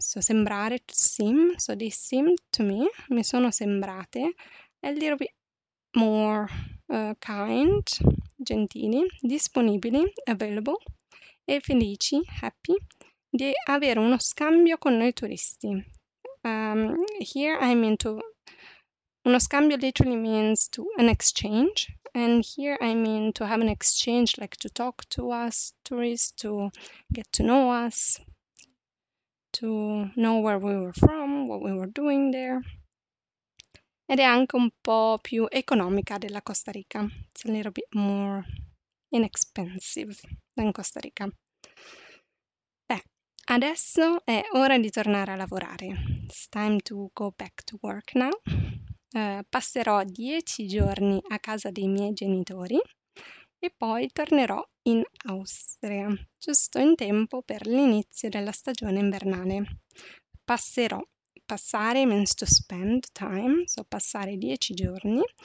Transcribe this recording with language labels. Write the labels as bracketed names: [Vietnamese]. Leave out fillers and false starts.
[English] So sembrare, to seem, so they seemed to me, [Italian] mi sono sembrate [English] a little bit more kind, [Italian] gentili, disponibili, [English] available, [Italian] e felici, happy, di avere uno scambio con noi turisti. [English] Here I mean to, uno scambio literally means to an exchange, and here I mean to have an exchange, like to talk to us tourists, to get to know us, to know where we were from, what we were doing there. [Italian] Ed è anche un po' più economica della Costa Rica. [English] It's a little bit more inexpensive than Costa Rica. [Italian] Beh, adesso è ora di tornare a lavorare. [English] It's time to go back to work now. [Italian] Passerò 10 giorni a casa dei miei genitori e poi tornerò in Austria, giusto in tempo per l'inizio della stagione invernale. [English] Passare means to spend time, so passare 10 giorni.